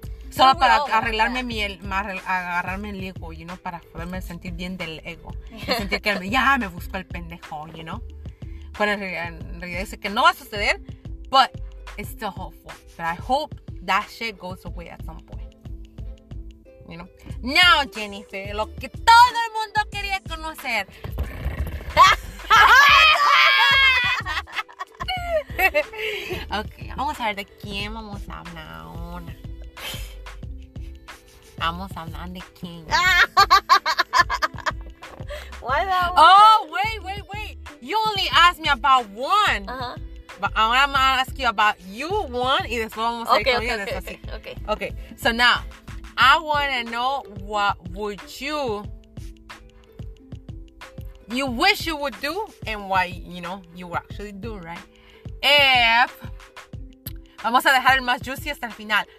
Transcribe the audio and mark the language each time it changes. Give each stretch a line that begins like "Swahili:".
Spanish: Solo para arreglarme mi el, agarrarme el ego,
English: you know,
Spanish: para poderme sentir bien del ego. Sentir que ya me busco el pendejo,
English: you know.
Spanish: Pero en realidad dice que no va a suceder,
English: but it's still hopeful. But I hope that shit goes away at some point. You know.
Spanish: Now, Jennifer, lo que todo el mundo quería conocer. Okay, vamos a ver de quién vamos a hablar ahora. Vamos a hablar de quién.
English: Wait. You only asked me about one. Uh-huh. But
Spanish: ahora
English: I'm gonna ask you about you one
Spanish: y después vamos a ir con ellos.
English: Okay. So now, I wanna know what would you wish you would do and why, you know, you would actually do, right?
Spanish: If vamos a dejar el más juicy hasta el final.